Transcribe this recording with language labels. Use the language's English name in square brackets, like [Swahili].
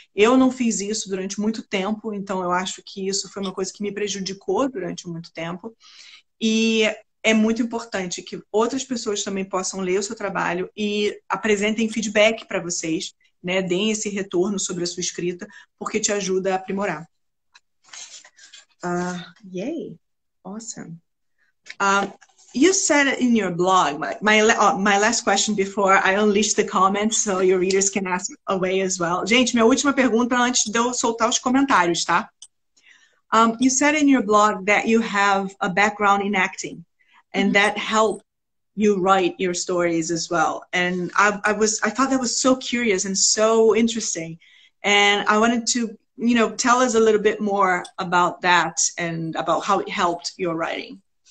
[Portuguese] Eu não fiz isso durante muito tempo, então eu acho que isso foi uma coisa que me prejudicou durante muito tempo. E é muito importante que outras pessoas também possam ler o seu trabalho e apresentem feedback para vocês, né? Deem esse retorno sobre a sua escrita, porque te ajuda a aprimorar. [English] Yay! Awesome! You said in your blog, my last question before I unleash the comments so your readers can ask away as well. [Portuguese] Gente, minha última pergunta antes de eu soltar os comentários, tá? [English] You said in your blog that you have a background in acting. And that helped you write your stories as well. And I thought that was so curious and so interesting. And I wanted to, you know, tell us a little bit more about that and about how it helped your writing.